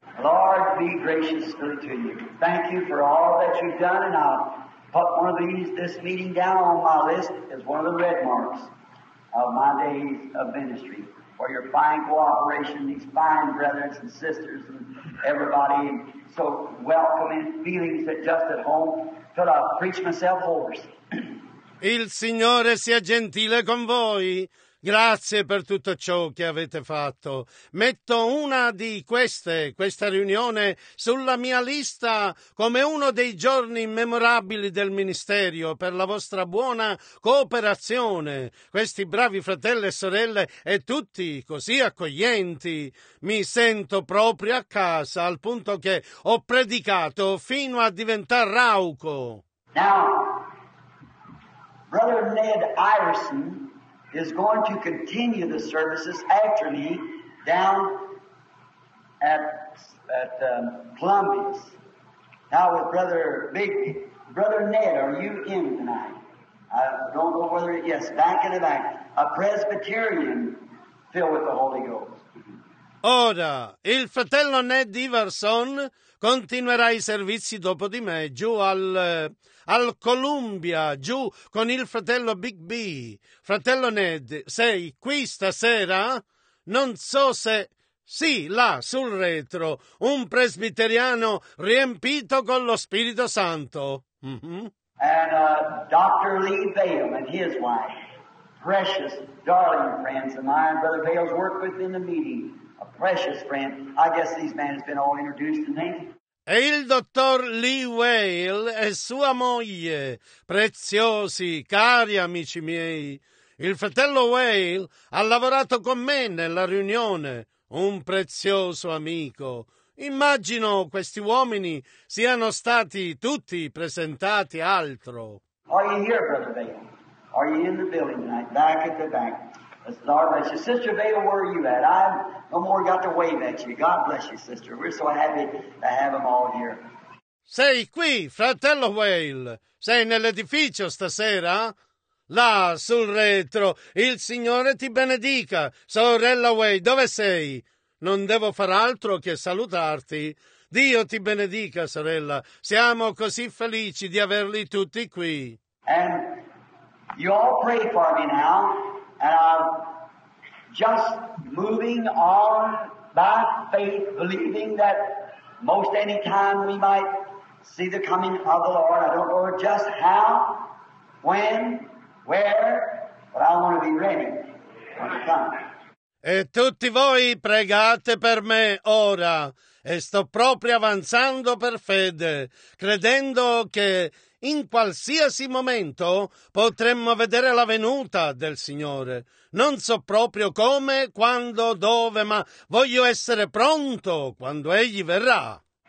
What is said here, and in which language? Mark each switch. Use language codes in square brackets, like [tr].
[en] Lord, be gracious to you. Thank you for all that you've done, and I'll put one of these, this meeting down on my list as one of the red marks of my days of ministry. For your fine cooperation, these fine brothers and sisters and everybody, and so welcoming feelings that just at home, till I preach myself hoarse. [it] Il Signore sia gentile con voi. Grazie per tutto ciò che avete fatto. Metto una di queste, questa riunione, sulla mia lista come uno dei giorni memorabili del ministero per la vostra buona cooperazione. Questi bravi fratelli e sorelle e tutti così accoglienti. Mi sento proprio a casa al punto che ho predicato fino a diventare rauco. [en] Now, Brother Ned Iverson is going to continue the services after me down at Columbia's. Now with Brother Ned, are you in tonight? I don't know whether, yes, back in the back, a Presbyterian filled with the Holy Ghost. [it] Ora, il fratello Ned Iverson continuerà i servizi dopo di me giù al Columbia, giù con il fratello Big B. Fratello Ned, sei qui stasera? Non so se... Sì, là, sul retro, un presbiteriano riempito con lo Spirito Santo. [en] And Dr. Lee Bale and his wife, precious, darling friends of mine, Brother Bale's worked with in the meeting. A precious friend. I guess these men have been all introduced to me. [it] E il dottor Lee Whale e sua moglie, preziosi, cari amici miei. Il fratello Whale ha lavorato con me nella riunione, un prezioso amico. Immagino questi uomini siano stati tutti presentati altro. [en] Are you here, Brother Bale? Are you in the building tonight? Back at the back. That's the Lord bless you. Sister Bale, where are you at? I've no more got to wave at you. God bless you, sister. We're so happy to have them all here. [it] Sei qui, fratello Whale. Sei nell'edificio stasera? Là, sul retro. Il Signore ti benedica. Sorella Whale, dove sei? Non devo far altro che salutarti. Dio ti benedica, sorella. Siamo così felici di averli tutti qui. [en] And you all pray for me now. And I'm just moving on by faith, believing that most any time we might see the coming of the Lord. I don't know just how, when, where, but I want to be ready when it comes. [it] E tutti voi pregate per me ora, e sto proprio avanzando per fede, credendo che in qualsiasi momento potremmo vedere la venuta del Signore. Non so proprio come, quando, dove, ma voglio essere pronto quando Egli verrà.